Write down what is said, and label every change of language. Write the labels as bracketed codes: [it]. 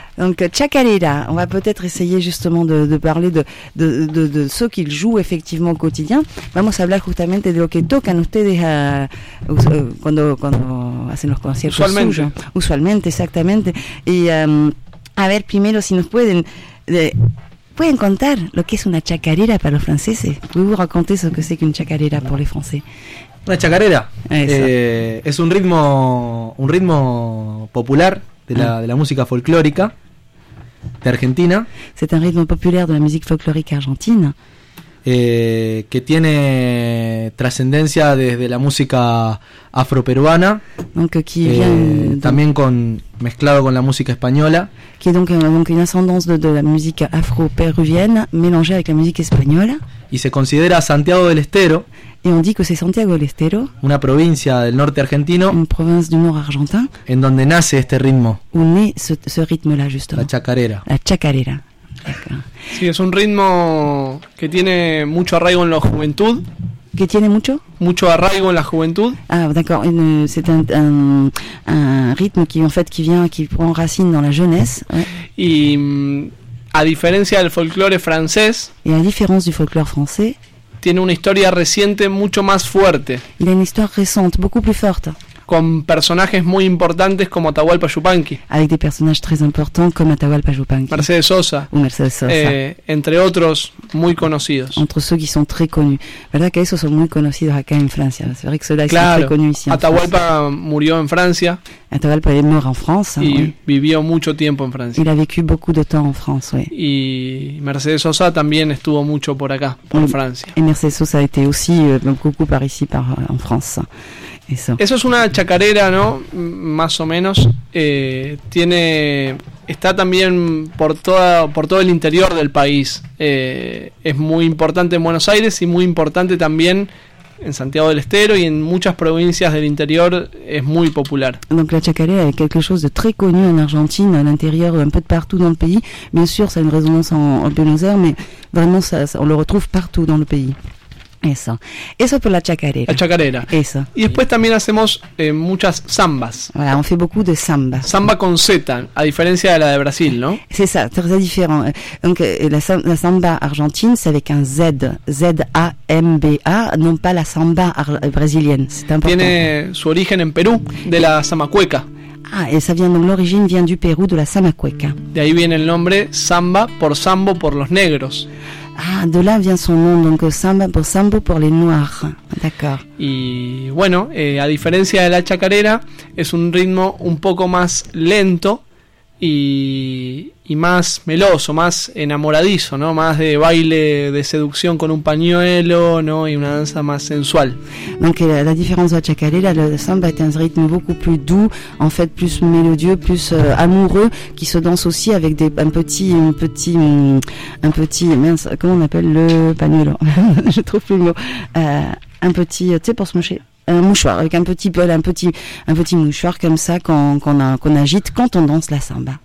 [fr] Donc, Chacarera, on va peut-être essayer justement de parler de ce qu'ils jouent effectivement au quotidien. [es] Vamos a hablar justamente de lo que tocan ustedes cuando hacen los conciertos. Usualmente. Suyos. Usualmente, exactamente. Y a ver, primero, si nos pueden... ¿Pueden contar lo que es una chacarera para los franceses? ¿Puedes contar lo que es una chacarera para los franceses? Una chacarera es un ritmo popular de la música folclórica de Argentina. [fr] C'est un [es] ritmo popular de la música folclórica argentina. Que tiene trascendencia desde la música afroperuana. [fr] Donc, qui vient, [es] también mezclado con la música española. [fr] Qui est donc une ascendance de la musique afro-péruvienne mélangée avec la musique espagnole. [es] Y se considera Santiago del Estero. [fr] Et on dit que c'est Santiago del Estero. [es] Una provincia del norte argentino. [fr] Une province du nord argentin. [es] En donde nace este ritmo. [fr] Où naît ce rythme-là, justement. [es] La chacarera. La chacarera. Sí, es un ritmo que tiene mucho arraigo en la juventud. ¿Qué tiene mucho? Mucho arraigo en la juventud. [fr] Ah, d'accord. C'est un ritmo que, en fait, qui prend racine dans la jeunesse. [es] Y a diferencia del folclore francés. [fr] Et à différence du folklore français. [es] Tiene una historia reciente mucho más fuerte. [fr] Il a une histoire récente beaucoup plus forte. [es] Con personajes muy importantes como Atahualpa Yupanqui. [fr] Avec des personnages très importants comme Atahualpa Yupanqui. [es] Mercedes Sosa. [fr] Ou Mercedes Sosa. [es] Entre otros muy conocidos. [fr] Entre ceux qui sont très connus. [es] ¿Verdad que esos son muy conocidos acá en Francia? [fr] C'est vrai que ceux-là [es] claro, [fr] sont très connus ici en Atahualpa France. [es] Murió en Francia. [fr] Atahualpa est mort en France. [es] Y vivió mucho tiempo en Francia. [fr] Il a vécu beaucoup de temps en France, oui. [es] Y Mercedes Sosa también estuvo mucho por acá, por Francia. [fr] Et Mercedes Sosa a été aussi beaucoup par ici, en France. [es] Eso es una chacarera, ¿no? Más o menos. Está también por todo el interior del país. Es muy importante en Buenos Aires y muy importante también en Santiago del Estero y en muchas provincias del interior es muy popular. [fr] Donc la chacarera es quelque chose de très connu en Argentina, en l'intérieur, un peu de partout dans le pays. Bien sûr, ça a une résonance en Buenos Aires, mais vraiment on le retrouve partout dans le pays. [es] Eso por la chacarera. La chacarera. Eso. Y después también hacemos muchas zambas. [fr] Voilà, on fait beaucoup de zambas. [es] Samba con Z, a diferencia de la de Brasil, ¿no? [fr] C'est ça, très différent. Donc la samba argentine, c'est avec un Z, Z-A-M-B-A, non pas la samba brésilienne. C'est important. [es] Tiene su origen en Perú, de la zamacueca. [fr] Ah, et ça vient, donc l'origine vient du Pérou, de la zamacueca. [es] De ahí viene el nombre samba por sambo por los negros. [fr] Ah, de là vient son nom, donc Sambo pour les Noirs, d'accord. [es] Y bueno, a diferencia de la chacarera, es un ritmo un poco más lento y más meloso, más enamoradizo, ¿no? Más de baile de seducción con un pañuelo, ¿no? Y una danza más sensual. [fr] Donc la différence de la chacarera, le samba est un rythme beaucoup plus doux, en fait plus mélodieux, plus amoureux, qui se danse aussi avec un petit mince, comment on appelle le pañuelo. Je trouve plus le mot. Un petit, tu sais, pour se moucher. Un mouchoir, avec un petit mouchoir comme ça qu'on agite quand on danse la samba.